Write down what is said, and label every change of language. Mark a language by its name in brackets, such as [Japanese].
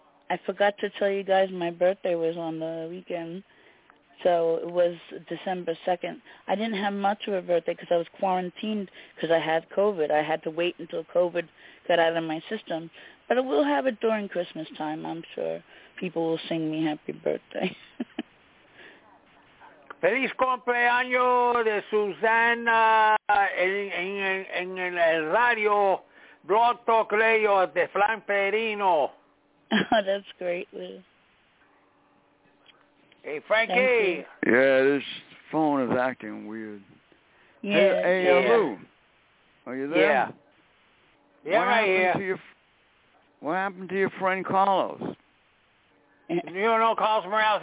[English] I forgot to tell you guys my birthday was on the weekend, so it was December 2nd. I didn't have much of a birthday because I was quarantined because I had COVID. I had to wait until COVID got out of my system. But I will have it during Christmas time, I'm sure. People will sing me happy birthday. [Spanish] Feliz cumpleaños de Susana en el radio Blog Talk Radio de Frank Perino. [English] Oh, that's great, Lou. Hey, Frankie. Yeah, this phone is acting weird. Yeah. Hey, Lou. Are you there? Yeah, right here. What happened to your friend Carlos? You don't know Carlos Morales.